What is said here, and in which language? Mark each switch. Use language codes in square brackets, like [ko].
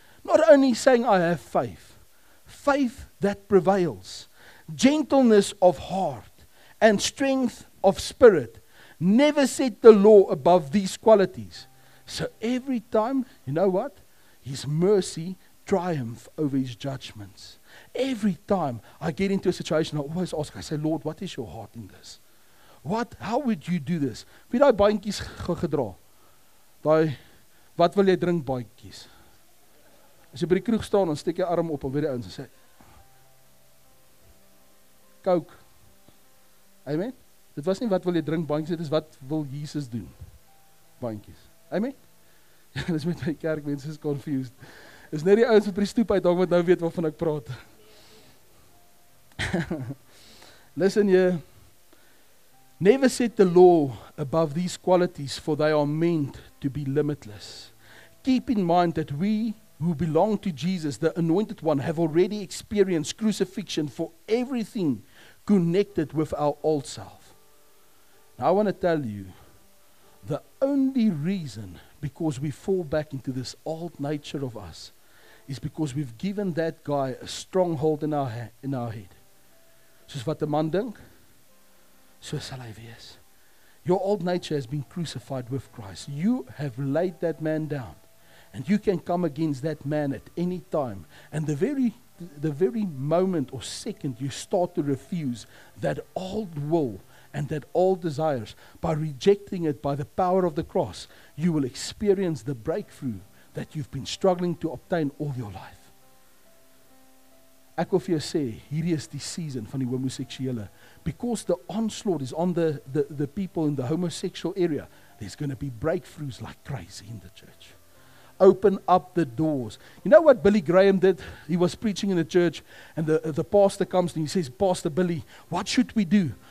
[en] Not only saying, I have faith. Faith that prevails, gentleness of heart, and strength of spirit. Never set the law above these qualities. So every time, you know what? His mercy triumphs over his judgments. Every time I get into a situation, I always ask, I say, Lord, what is your heart in this? What? How would you do this? [af] Wie daai baantjies gedra? Daai, wat wil jy drink baantjies? As jy by die kroeg staan, dan steek jy arm op, en weet die ouens, en sê, Coke. Amen? Dit was nie wat wil jy drink, baantjies, dit is wat wil Jesus doen. Baantjies. Amen? Ja, dit is met my kerk, mense is confused. Dit is net die ouens wat by die stoep uit, wat nou weet waarvan ek praat. [en] Listen, jy, never set the law above these qualities, for they are meant to be limitless. Keep in mind that we who belong to Jesus, the anointed one, have already experienced crucifixion for everything connected with our old self. Now I want to tell you, the only reason because we fall back into this old nature of us is because we've given that guy a stronghold in our head. [af] Soos wat die man dink, so sal hy wees. [en] Your old nature has been crucified with Christ. You have laid that man down. And you can come against that man at any time. And the very moment or second you start to refuse that old will and that old desires, by rejecting it by the power of the cross, you will experience the breakthrough that you've been struggling to obtain all your life. [af] Ek wil vir jou sê, hierdie is die season van die homoseksuele. [en] Because the onslaught is on the people in the homosexual area, there's going to be breakthroughs like crazy in the church. Open up the doors. You know what Billy Graham did? He was preaching in a church, and the pastor comes and he says, Pastor Billy, what should we do?